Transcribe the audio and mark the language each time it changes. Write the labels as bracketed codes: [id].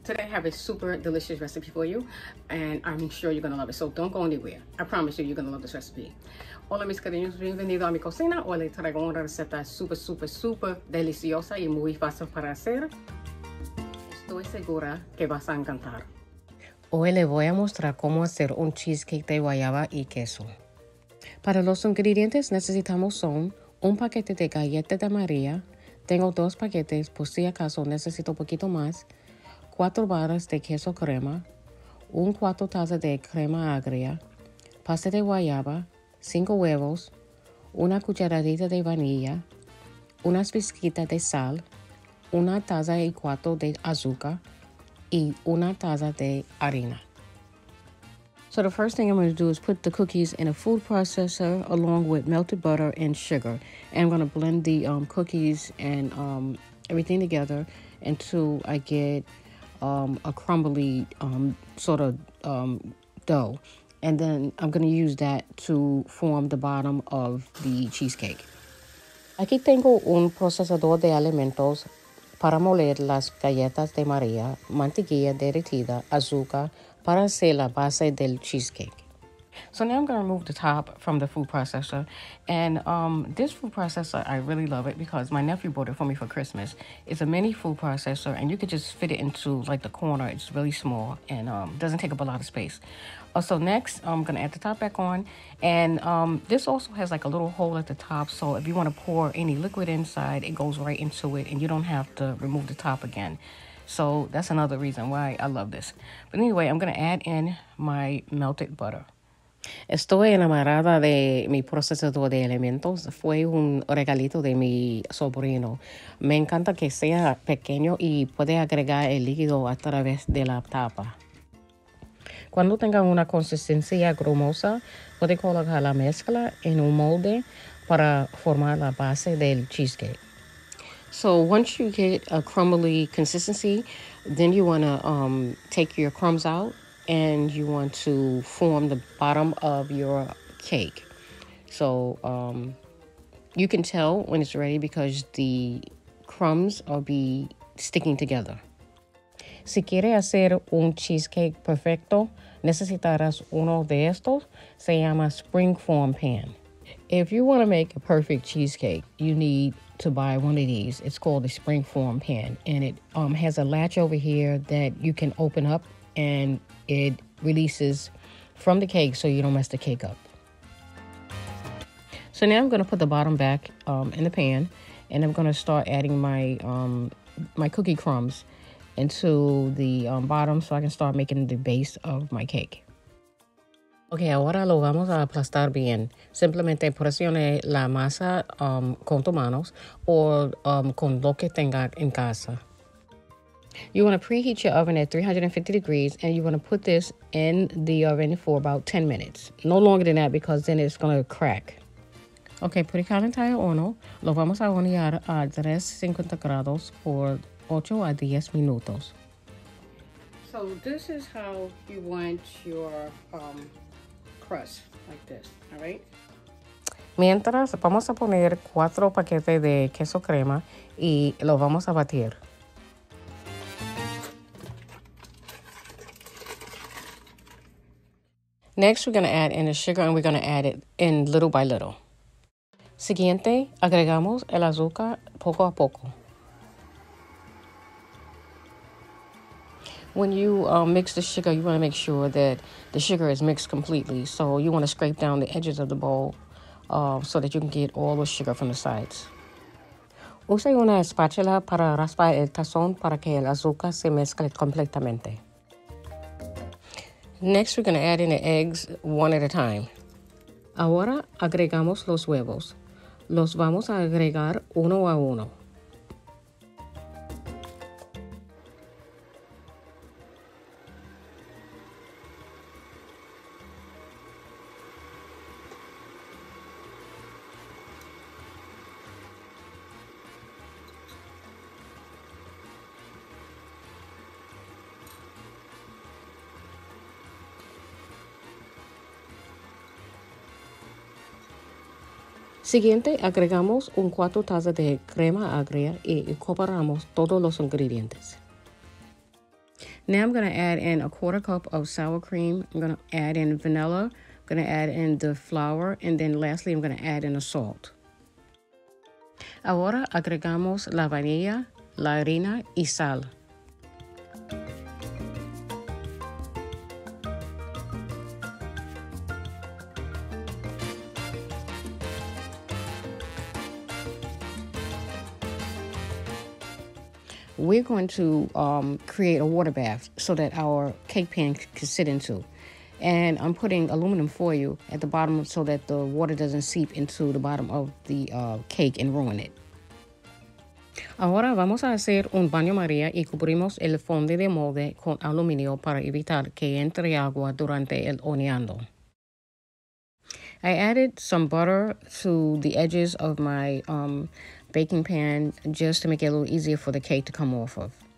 [en] Today I have a super delicious recipe for you, and I'm sure you're gonna love it. So don't go anywhere. I promise you, you're gonna love this recipe. [es] Hola mis cariños, bienvenido a mi cocina. Hoy les traigo una receta super, super, super deliciosa y muy fácil para hacer. Estoy segura que vas a encantar. Hoy le voy a mostrar cómo hacer un cheesecake de guayaba y queso. Para los ingredientes necesitamos son un paquete de galletas de María. Tengo dos paquetes por si acaso necesito un poquito más, 4 barras de queso crema, 1/4 taza de crema agria, pasta de guayaba, 5 huevos, una cucharadita de vainilla, unas pizquitas de sal, 1 taza y 4 de azúcar y 1 taza de harina. [en] So the first thing I'm going to do is put the cookies in a food processor along with melted butter and sugar. And I'm going to blend the cookies and everything together until I get a crumbly dough. And then I'm going to use that to form the bottom of the cheesecake. [es] Aquí tengo un procesador de alimentos para moler las galletas de María, mantequilla derretida, azúcar, para hacer la base del cheesecake. [en] So now I'm going to remove the top from the food processor. And this food processor, I really love it because my nephew bought it for me for Christmas. It's a mini food processor and you could just fit it into like the corner. It's really small and doesn't take up a lot of space. So next, I'm going to add the top back on. And this also has like a little hole at the top. So if you want to pour any liquid inside, it goes right into it and you don't have to remove the top again. So that's another reason why I love this. But anyway, I'm going to add in my melted butter. [es] Estoy enamorada de mi procesador de alimentos. Fue un regalito de mi sobrino. Me encanta que sea pequeño y puede agregar el líquido a través de la tapa. Cuando tenga una consistencia grumosa, puede colocar la mezcla en un molde para formar la base del cheesecake. [en] So once you get a crumbly consistency, then you want to take your crumbs out and you want to form the bottom of your cake. So you can tell when it's ready because the crumbs will be sticking together. [es] Si quiere hacer un cheesecake perfecto, necesitarás uno de estos. Se llama spring form pan. [en] If you want to make a perfect cheesecake, you need to buy one of these. It's called a spring form pan, and it has a latch over here that you can open up and it releases from the cake so you don't mess the cake up. So now I'm going to put the bottom back in the pan, and I'm going to start adding my cookie crumbs into the bottom so I can start making the base of my cake. [es] Ok, ahora lo vamos a aplastar bien. Simplemente presione la masa con tus manos o con lo que tenga en casa. [en] You want to preheat your oven at 350 degrees and you want to put this in the oven for about 10 minutes. No longer than that because then it's going to crack. [es] Ok, por el calentario uno, lo vamos a hornear a 350 grados por 8 a 10 minutos. [en] So this is how you want your crust like this, all right? [es] Mientras, vamos a poner 4 paquetes de queso crema y lo vamos a batir. [en] Next, we're going to add in the sugar and we're going to add it in little by little. [es] Siguiente, agregamos el azúcar poco a poco. [en] When you mix the sugar, you want to make sure that the sugar is mixed completely. So you want to scrape down the edges of the bowl so that you can get all the sugar from the sides. [es] Use una espátula para raspar el tazón para que el azúcar se mezcle completamente. [en] Next, we're going to add in the eggs one at a time. [es] Ahora agregamos los huevos. Los vamos a agregar uno a uno. Siguiente, agregamos 1/4 taza de crema agria y incorporamos todos los ingredientes. [en] Now I'm going to add in 1/4 cup of sour cream. I'm going to add in vanilla. I'm going to add in the flour. And then lastly, I'm going to add in the salt. [es] Ahora agregamos la vainilla, la harina y sal. [en] We're going to create a water bath so that our cake pan can sit into. And I'm putting aluminum foil at the bottom so that the water doesn't seep into the bottom of the cake and ruin it. [es] Ahora vamos a hacer un baño María y cubrimos el fondo de molde con aluminio para evitar que entre agua durante el horneando. [en] I added some butter to the edges of my baking pan just to make it a little easier for the cake to come off of.